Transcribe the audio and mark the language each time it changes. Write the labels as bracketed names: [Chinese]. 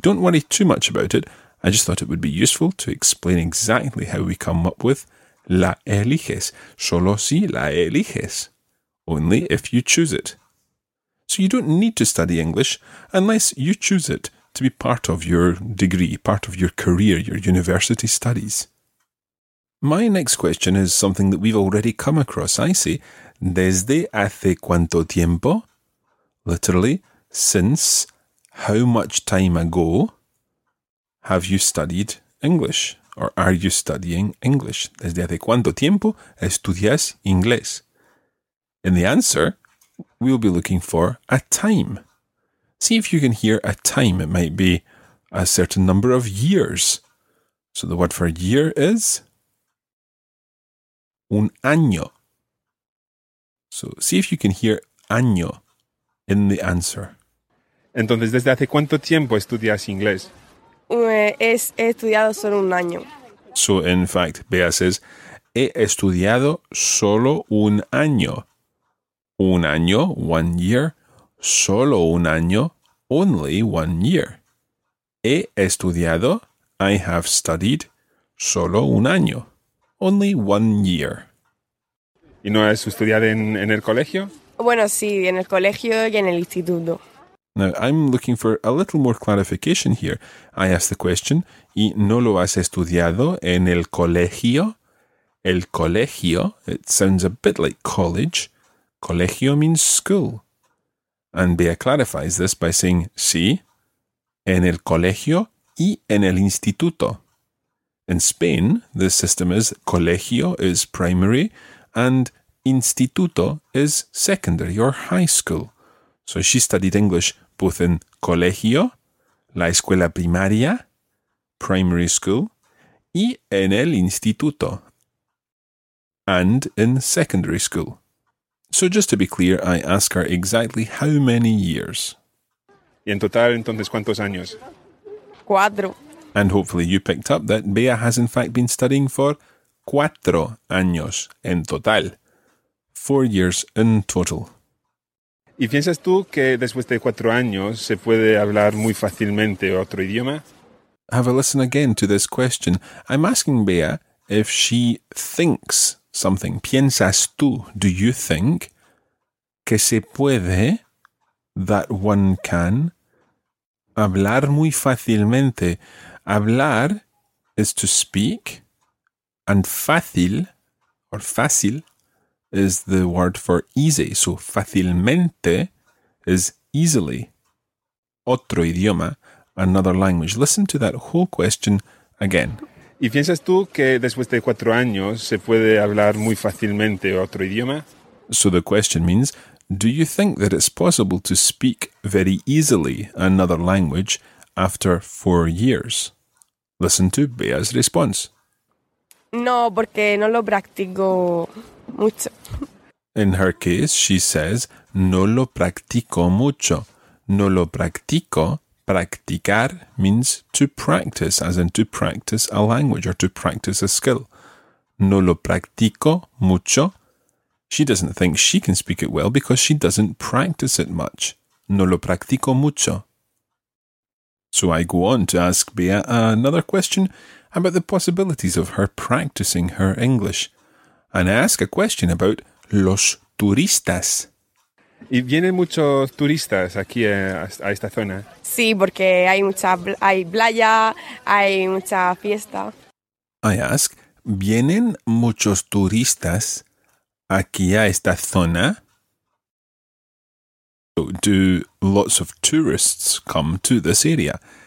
[English] Don't worry too much about it. I just thought it would be useful to explain exactly how we come up with la eliges. [Spanish] Solo si la eliges. [English] only if you choose it. So you don't need to study English unless you choose it to be part of your degree, part of your career, your university studies. My next question is something that we've already come across. I say, [Spanish] ¿desde hace cuánto tiempo? [English] Literally, since how much time ago have you studied English? Or are you studying English? [Spanish] ¿Desde hace cuánto tiempo estudias inglés? [English] In the answer, we'll be looking for a time. See if you can hear a time. It might be a certain number of years. So the word for year is un año. So see if you can hear año in the answer. [Spanish] Entonces, ¿desde hace cuánto tiempo estudias inglés? He estudiado solo un año. [English] So in fact, Bea says, [Spanish] he estudiado solo un año. Un año, [English] one year. [Spanish] Solo un año, [English] only one year. [Spanish] He estudiado, [English] I have studied, [Spanish] solo un año. [English] Only one year. [Spanish] ¿Y no has estudiado en el colegio? Bueno, sí, en el colegio y en el instituto. [English] Now, I'm looking for a little more clarification here. I ask the question, [Spanish] ¿y no lo has estudiado en el colegio? [English] El colegio, it sounds a bit like college. Colegio means school. And Bea clarifies this by saying, [Spanish] sí, en el colegio y en el instituto. [English] In Spain, the system is colegio is primary and instituto is secondary or high school. So she studied English both in colegio, [Spanish] la escuela primaria, [English] primary school, [Spanish] y en el instituto, [English] and in secondary school. So just to be clear, I ask her exactly how many years. [Spanish] Y en total, entonces, ¿cuántos años? Cuatro. [English] And hopefully you picked up that Bea has in fact been studying for [Spanish] 4 años en total. [English] 4 years in total. [Spanish] ¿Y piensas tú que después de 4 años se puede hablar muy fácilmente otro idioma? [English] Have a listen again to this question. I'm asking Bea if she thinks something. [Spanish] ¿Piensas tú, [English] do you think, [Spanish] que se puede, [English] that one can, [Spanish] hablar muy fácilmente? [English] Hablar is to speak, and fácil, or fácil, is the word for easy. So, fácilmente is easily. [Spanish] Otro idioma, [English] another language. Listen to that whole question again. [Spanish] ¿Y piensas tú que después de 4 años se puede hablar muy fácilmente otro idioma? [English] So the question means, do you think that it's possible to speak very easily another language after 4 years? Listen to Bea's response. [Spanish] No, porque no lo practico mucho. [English] In her case, she says, [Spanish] no lo practico mucho. No lo practico. [English] Practicar means to practice, as in to practice a language or to practice a skill. [Spanish] No lo practico mucho. [English] She doesn't think she can speak it well because she doesn't practice it much. [Spanish] No lo practico mucho. [English] So I go on to ask Bea another question about the possibilities of her practicing her English. And I ask a question about [Spanish] los turistas. ¿Y vienen muchos turistas aquí a esta zona? Sí, porque hay playa, hay mucha fiesta. [English] I ask, [Spanish] ¿vienen muchos turistas aquí a esta zona? [English] So, do lots of tourists come to this area?